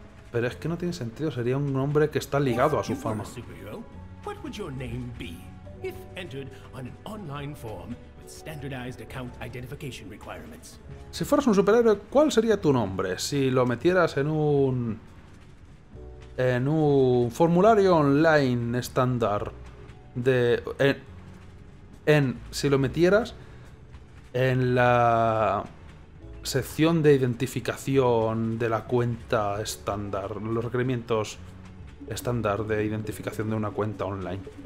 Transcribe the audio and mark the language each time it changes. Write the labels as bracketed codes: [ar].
[es] Pero es que no tiene sentido. Sería un nombre que está ligado a su fama. [en] What would your name be if entered on an online form with standardized account identification requirements? [es] Si fueras un superhéroe, ¿cuál sería tu nombre? Si lo metieras en un formulario online estándar de si lo metieras en la sección de identificación de la cuenta estándar, los requerimientos estándar de identificación de una cuenta online.